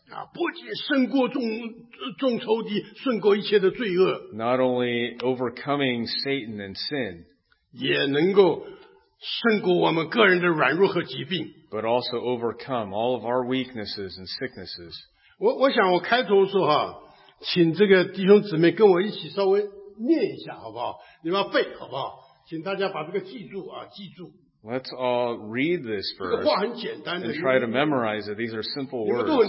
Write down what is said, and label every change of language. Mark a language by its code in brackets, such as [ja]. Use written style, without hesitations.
[zh] 啊, 不仅胜过众仇敌, [en] Not only overcoming Satan and sin, but also overcome all of our weaknesses and sicknesses. [zh] 我想我开头说啊, 请这个弟兄姊妹跟我一起稍微念一下好不好?你们要背好不好? 请大家把这个记住啊,记住。 [en] Let's all read this verse and try to memorize it. These are simple words.